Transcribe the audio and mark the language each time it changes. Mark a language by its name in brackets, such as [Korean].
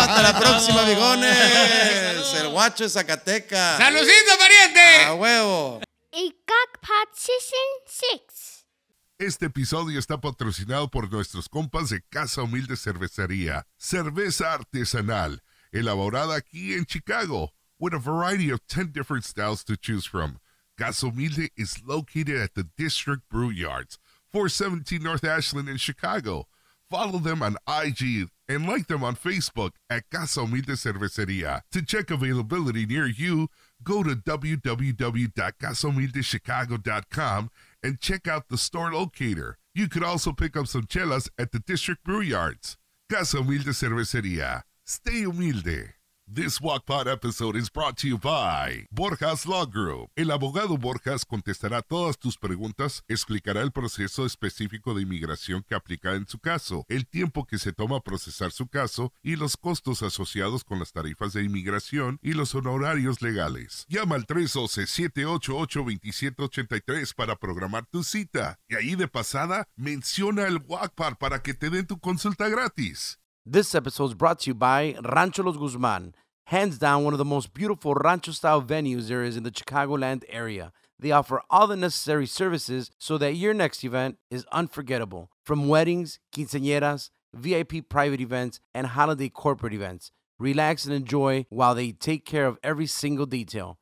[Spanish] ¡Hasta la próxima, amigones! ¡El guacho de Zacatecas! ¡Saludito, pariente! ¡A huevo! [English] Y Cockpot Season 6. [Spanish] Este episodio está patrocinado por nuestros compas de Casa Humilde Cervecería. Cerveza artesanal, elaborada aquí en Chicago. [English] With a variety of 10 different styles to choose from. Casa Humilde is located at the District Brew Yards, 417 North Ashland in Chicago. Follow them on IG and like them on Facebook at Casa Humilde Cervecería. To check availability near you, go to www.casomildechicago.com and check out the store locator. You could also pick up some chelas at the District Brew Yards. Casa Humilde Cervecería. Stay humilde. This Walk Pod episode is brought to you by Borjas Law Group. [Spanish] El abogado Borjas contestará todas tus preguntas, explicará el proceso específico de inmigración que aplica en su caso, el tiempo que se toma procesar su caso y los costos asociados con las tarifas de inmigración y los honorarios legales. Llama al 312-788-2783 para programar tu cita. Y ahí de pasada, menciona el Walk Pod para que te den tu consulta gratis. [English] This episode is brought to you by Rancho Los Guzman, hands down one of the most beautiful rancho-style venues there is in the Chicagoland area. They offer all the necessary services so that your next event is unforgettable. From weddings, quinceañeras, VIP private events, and holiday corporate events, relax and enjoy while they take care of every single detail.